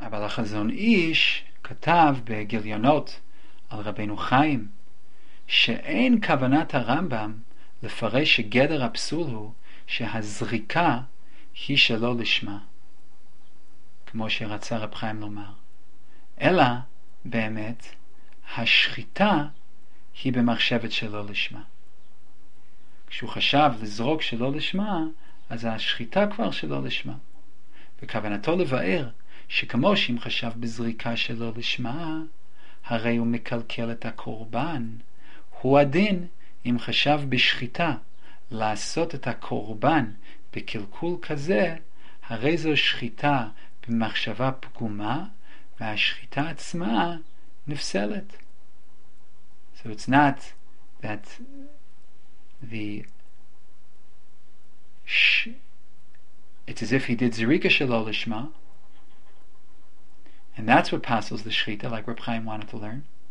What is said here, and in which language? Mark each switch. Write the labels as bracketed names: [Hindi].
[Hebrew] Chazon Ish katav beGilyonot al Rabbeinu Chaim she'ein kavanat haRambam lefaresh geder apsul hu shehazrika hi shelo lishma kmo sheratzah Rab Chaim lomar ela beemet hashchita hi b'machshevet shelo lishma. Kshu chashav lizrok shelo lishma, az hashchita kvar shelo lishma bekavanato levaer שכמו שאם חשב בזריקה שלא לשמה, הרי הוא מקלקל את הקורבן. הוא הדין אם חשב בשחיטה לעשות את הקורבן בקלקול כזה, הרי זו שחיטה במחשבה פגומה, והשחיטה עצמה נפסלת. [English] So it's not that it's as if he did [Hebrew] זריקה שלא לשמה, [English] and that's what passels the shchita, like Reb Chaim wanted to learn.